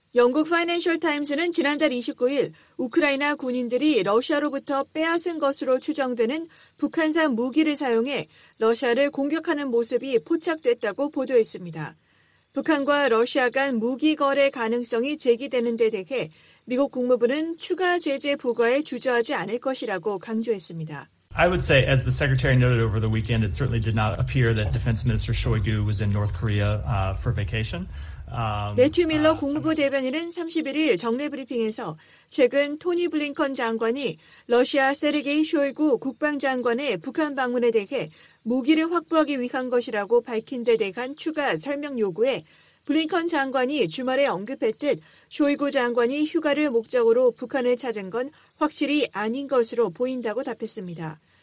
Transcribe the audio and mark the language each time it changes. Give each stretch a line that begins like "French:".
Korean: 영국 파이낸셜 타임스는 지난달 29일 우크라이나 군인들이 러시아로부터 빼앗은 것으로 추정되는 북한산 무기를 사용해 러시아를 공격하는 모습이 포착됐다고 보도했습니다. 북한과 러시아 간 무기 거래 가능성이 제기되는 데 대해 미국 국무부는 추가 제재 부과에 주저하지 않을 것이라고 강조했습니다.
English: I would say, as the secretary noted over the weekend, it certainly did not appear that Defense Minister Shoigu was in North Korea for vacation.
Korean: 매튜 밀러 국무부 대변인은 31일 정례 브리핑에서 최근 토니 블링컨 장관이 러시아 세르게이 쇼이구 국방장관의 북한 방문에 대해 무기를 확보하기 위한 것이라고 밝힌 데 대한 추가 설명 요구에 블링컨 장관이 주말에 언급했듯 쇼이구 장관이 휴가를 목적으로 북한을 찾은 건 확실히 아닌 것으로 보인다고 답했습니다.